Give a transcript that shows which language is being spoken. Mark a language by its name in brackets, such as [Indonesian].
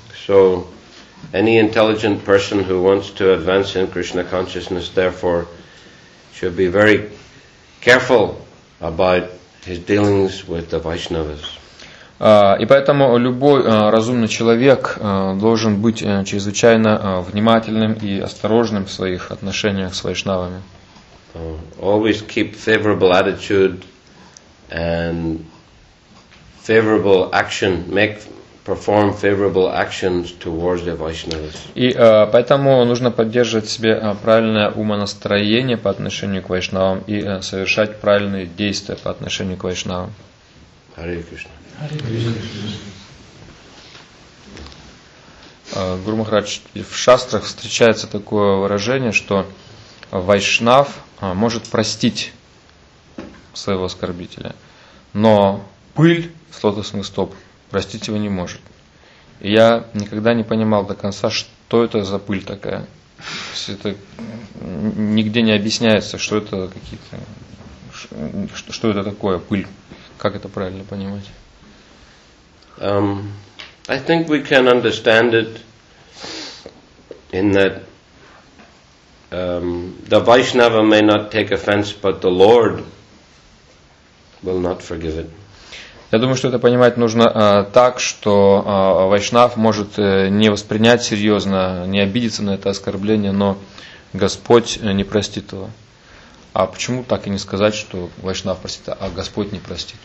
[English] So, any intelligent person who wants to advance in Krishna consciousness, therefore, should be very careful about his dealings with the Vaishnavas. [Russian] И поэтому любой разумный человек должен быть чрезвычайно внимательным и осторожным в своих отношениях с вайшнавами. [English] Always keep favorable attitude and favorable action, perform favorable actions towards the Vaishnavas. [Russian] И поэтому нужно поддерживать в себе правильное умонастроение по отношению к вайшнавам и совершать правильные действия по отношению к вайшнавам. [Sanskrit] Hare Krishna. [Russian] Гуру Махарадж, в шастрах встречается такое выражение, что вайшнав может простить своего оскорбителя, но пыль с лотосных стоп простить его не может. И я никогда не понимал до конца, что это за пыль такая. То есть это нигде не объясняется, что это какие-то, что это такое пыль. Как это правильно понимать? [English] I think we can understand it in that the Vaishnava may not take offense, but the Lord will not forgive it. [Russian] Я думаю, что это понимать нужно так, что вайшнав может не воспринять серьезно, не обидеться на это оскорбление, но Господь не простит его. А почему так и не сказать, что вайшнав простит, а Господь не простит?